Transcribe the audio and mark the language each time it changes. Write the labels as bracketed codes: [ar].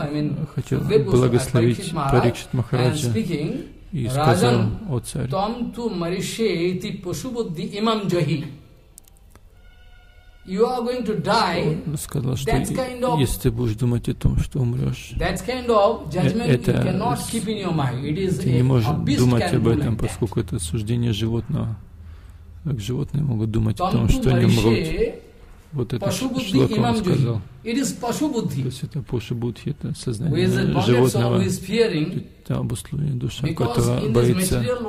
[ru] он хотел благословить Парикшит Махараджа и сказал, о царь, [sa] «Твам ту мариши ити пашубуддхи имам джахи». [en] You are going to die. [ru] Он сказал, что если ты будешь думать о том, что умрешь, [en] that kind of judgment you cannot keep in your mind. It is [ru] ты не можешь думать об этом, поскольку это суждение животного. Как животные могут думать о том, что они умрут? Вот это Шлока он сказал. То есть это пашубуддхи, это сознание животного, это обусловленная душа, которая боится.